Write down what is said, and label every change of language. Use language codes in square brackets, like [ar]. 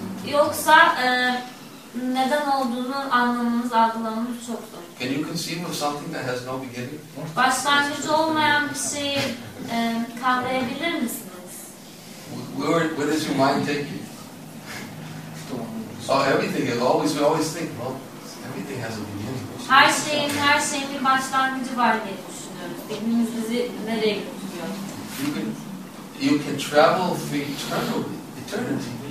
[tr] yoksa neden olduğunu anlamamız, algılamamız çok zor. [en] Can you conceive of something that has no beginning? [tr] Başlangıcı olmayan bir şeyi kavrayabilir misiniz? [en] Where does your mind take you? Oh, everything. We always think, well, everything has a beginning. [tr] Her şeyin bir başlangıcı var diye düşünüyoruz. Bilmemiz bizi nereye götürüyor? [en] You can travel for eternity.